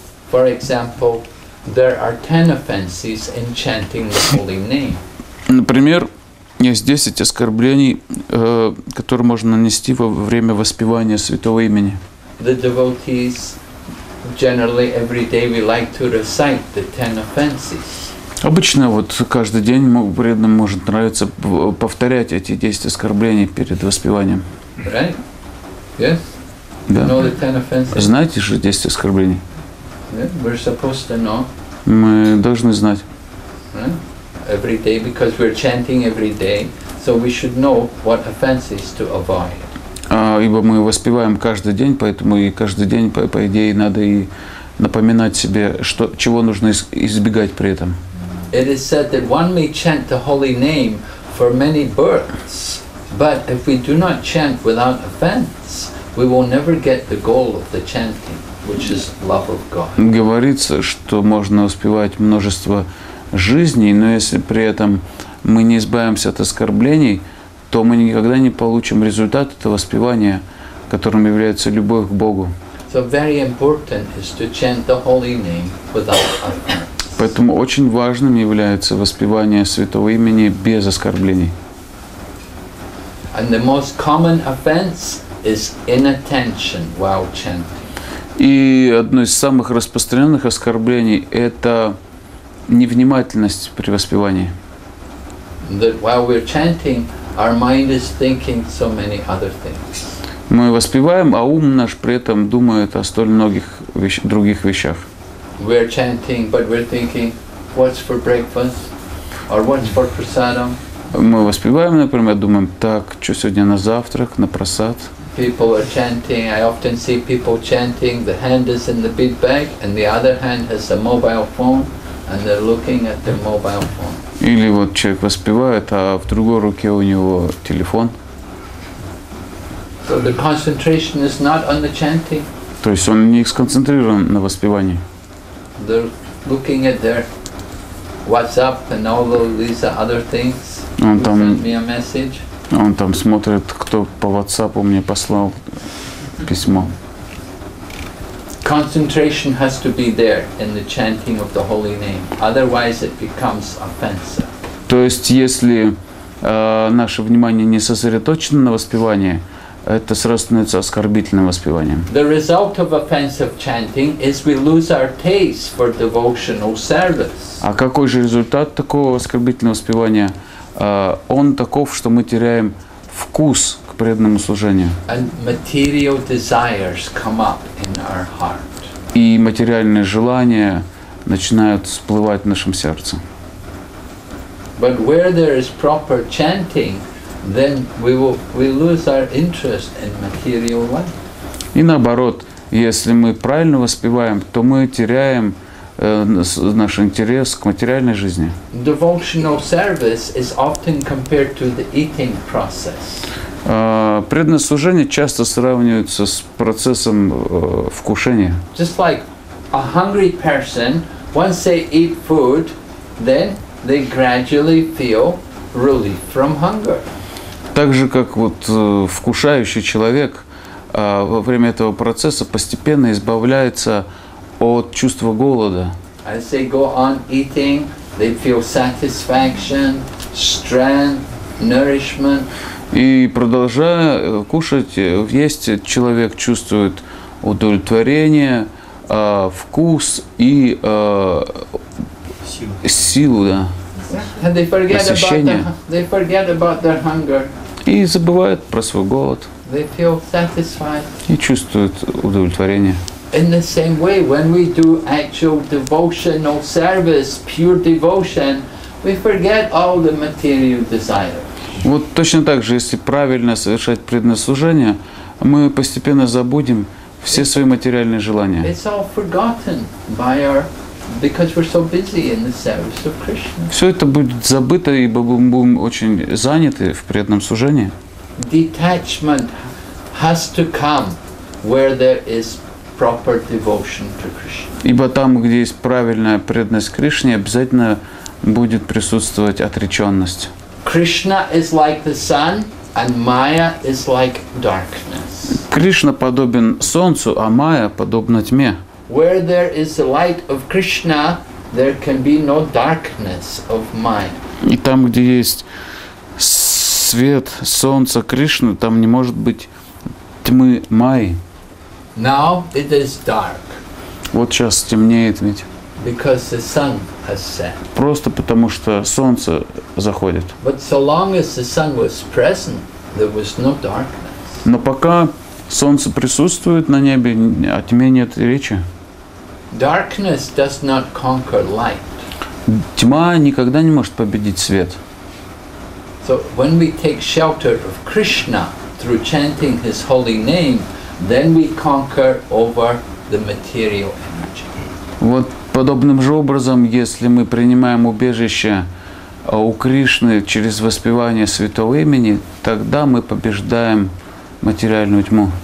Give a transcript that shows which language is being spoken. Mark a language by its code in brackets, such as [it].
[en] For example, there are 10 offenses in chanting the holy name. [ru] Например, есть 10 оскорблений, которые можно нанести во время воспевания святого имени. [en] The devotees generally every day we like to recite the 10 offenses. [ru] Обычно вот каждый день преданным может нравиться повторять эти 10 оскорблений перед воспеванием. [en] Right? Yes? [ru] Да. [en] Know the 10 offenses? [ru] Знаете же 10 оскорблений? [en] Yeah, we're supposed to know. [ru] Мы должны знать. [en] Right? Every day, because we're chanting every day, so we should know what offenses to avoid. [ru] Ибо мы воспеваем каждый день, поэтому и каждый день, по идее, надо и напоминать себе, чего нужно избегать при этом. [en] It is said that one may chant the holy name for many births. But if we do not chant without offense, we will never get the goal of the chanting, which is love of God. [ru] Говорится, что можно успевать множество жизней, но если при этом мы не избавимся от оскорблений, то мы никогда не получим результат этого воспевания, которым является любовь к Богу. [en] So very important is to chant the holy name without offense. [ru] Поэтому очень важным является воспевание святого имени без оскорблений. [en] And the most common offense is inattention while chanting. [ru] И одно из самых распространенных оскорблений – это невнимательность при воспевании. [en] That while we're chanting, our mind is thinking so many other things. [ru] Мы воспеваем, а ум наш при этом думает о столь многих других вещах. [en] We're chanting, but we're thinking, what's for breakfast? Or what's for prasadam? [ru] Мы воспеваем, например, думаем, так, что сегодня на завтрак, на просад. [en] People are chanting. I often see people chanting. The hand is in the big bag, and the other hand has a mobile phone, and they're looking at their mobile phone. [ru] Или вот человек воспевает, а в другой руке у него телефон. [en] So the concentration is not on the chanting. [ru] То есть он не сконцентрирован на воспевании. [en] They're looking at their WhatsApp and all of these other things. [ru] Он там, [en] send me a message. [ru] Он там смотрит, кто по WhatsApp мне послал письмо. [en] Concentration has to be there in the chanting of the holy name. Otherwise it becomes offensive. [ru] То есть если наше внимание не сосредоточено на воспевании, это сразу становится оскорбительным воспеванием. [en] The result of offensive chanting is we lose our taste for devotional service. [ru] А какой же результат такого оскорбительного воспевания? Он таков, что мы теряем вкус к преданному служению. [en] And material desires come up in our heart. [ru] И материальные желания начинают всплывать в нашем сердце. [en] But where there is proper chanting, then we lose our interest in material life. [ru] И наоборот, если мы правильно воспеваем, то мы теряем наш интерес к материальной жизни. [en] Devotional service is often compared to the eating process. [ru] Преданное служение часто сравнивается с процессом вкушения. [en] Just like a hungry person, once they eat food, then they gradually feel relief from hunger. [ru] Так же, как вот вкушающий человек во время этого процесса постепенно избавляется от чувства голода. [en] As they go on eating, they feel satisfaction, strength, nourishment. [ru] И продолжая кушать, есть, человек чувствует удовлетворение, вкус и силу, да. [en] And they forget about their hunger. [ru] И забывают про свой голод. [en] They feel satisfied. [ru] И чувствуют удовлетворение. [en] In the same way, when we do actual devotional service, pure devotion, we forget all the material desires. [ru] Вот точно так же, если правильно совершать преданное служение, мы постепенно забудем все свои материальные желания. [en] It's all forgotten by our, because we're so busy in the service of Krishna. [ru] Все это будет забыто, ибо мы будем очень заняты в преданном служении. [en] Detachment has to come where there is proper devotion to Krishna. [ru] Ибо там, где есть правильная преданность Кришне, обязательно будет присутствовать отреченность. [en] Krishna is like the sun, and Maya is like darkness. [ru] Кришна подобен солнцу, а Майя подобна тьме. [en] Where there is the light of Krishna, there can be no darkness of Maya. [ru] И там, где есть свет солнца Кришны, там не может быть тьмы Майи. [en] Now it is dark. [ru] Вот сейчас темнеет, ведь. [en] Because the sun has set. [ru] Просто потому что солнце заходит. [en] But so long as the sun was present, there was no darkness. [ru] Но пока солнце присутствует на небе, о тьме нет речи. [en] Darkness does not conquer light. [ru] Тьма никогда не может победить свет. [en] So when we take shelter of Krishna through chanting His holy name, then we conquer over the material energy. [ru] Вот подобным же образом, если мы принимаем убежище у Кришны через воспевание святого имени, тогда мы побеждаем материальную тьму.